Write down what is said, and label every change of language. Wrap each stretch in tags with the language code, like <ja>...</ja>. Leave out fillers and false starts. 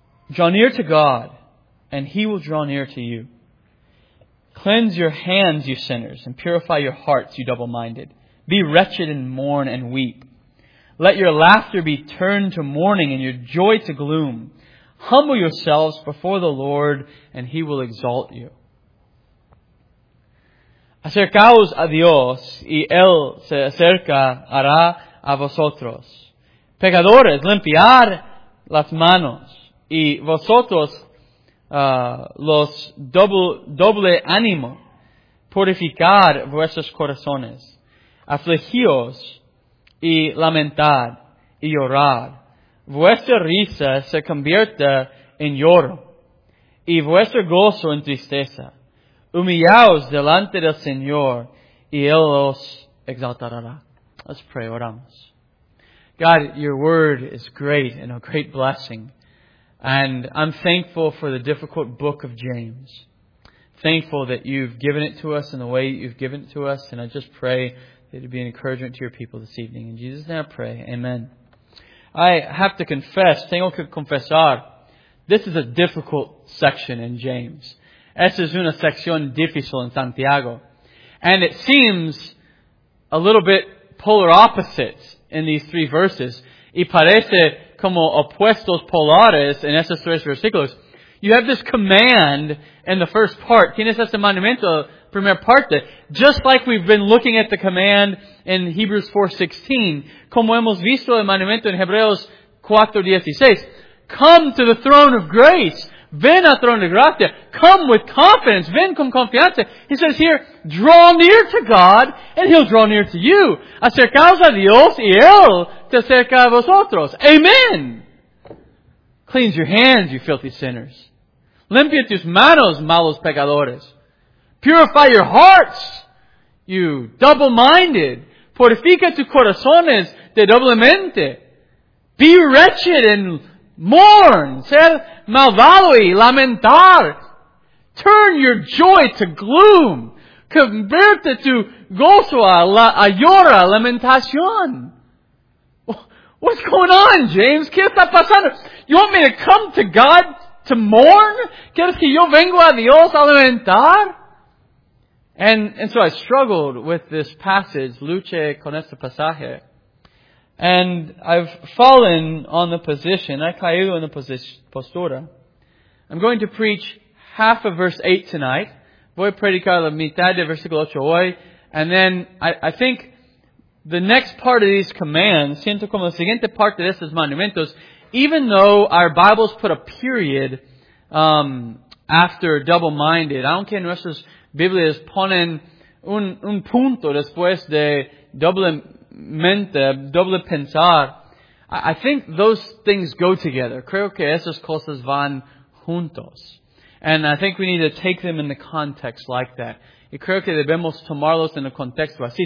<en>Draw near to God, and He will draw near to you. Cleanse your hands, you sinners, and purify your hearts, you double-minded. Be wretched and mourn and weep. Let your laughter be turned to mourning and your joy to gloom. Humble yourselves before the Lord, and He will exalt you.</en> <es>Acercaos a Dios, y Él se acercará a vosotros. Pecadores, limpiad las manos, y vosotros los doble ánimo, purificad vuestros corazones, afligíos y lamentad y llorad, vuestra risa se convierta en lloro y vuestro gozo en tristeza, humillaos delante del Señor y Él os exaltará.</es> <en>Let's pray,</en> <es>oramos.</es> <en>God, Your word is great and a great blessing. And I'm thankful for the difficult book of James. Thankful that You've given it to us in the way You've given it to us. And I just pray that it would be an encouragement to Your people this evening. In Jesus' name I pray. Amen. I have to confess,</en> <es>tengo que confesar,</es> <en>this is a difficult section in James.</en> <es>Esta es una sección difícil en Santiago.</es> <en>And it seems a little bit polar opposite in these three verses.</en> <es>Y parece como opuestos polares en estos tres versículos.</es> <en>You have this command in the first part.</en> <es>Tienes este mandamiento, primera parte.</es> <en>Just like we've been looking at the command in Hebrews 4:16,</en> <es>como hemos visto el mandamiento en Hebreos 4:16,</es> <en>come to the throne of grace.</en> <es>Ven al trono de gracia.</es> <en>Come with confidence.</en> <es>Ven con confianza.</es> <en>He says here, draw near to God, and He'll draw near to you.</en> <es>Acercaos a Dios, y Él te acerca a vosotros.</es> <en>Amen! Cleanse your hands, you filthy sinners.</en> <es>Limpia tus manos, malos pecadores.</es> <en>Purify your hearts, you double-minded.</en> <es>Purifica tus corazones de doble mente.</es> <en>Be wretched and mourn,</en> <es>ser malvado y lamentar.</es> <en>Turn your joy to gloom.</en> <es>Convierte tu gozo a llora, lamentación.</es> <en>What's going on, James?</en> <es>¿Qué está pasando?</es> <en>You want me to come to God to mourn?</en> <es>¿Quieres que yo vengo a Dios a lamentar?</es> <en>And so I struggled with this passage,</en> <es>luché con este pasaje.</es> <en>And I've fallen on the position,</en> <es>I caído en la postura.</es> <en>I'm going to preach half of verse 8 tonight.</en> <es>Voy a predicar la mitad de versículo 8 hoy.</es> <en>And then I think the next part of these commands,</en> <es>siento como la siguiente parte de estos mandamientos,</es> <en>even though our Bibles put a period after double-minded,</en> <es>aunque nuestras Biblias ponen un punto después de doble mente, doble pensar,</es> <en>I think those things go together.</en> <es>Creo que esas cosas van juntos.</es> <en>And I think we need to take them in the context like that.</en> <es>Y creo que debemos tomarlos en el contexto así.</es>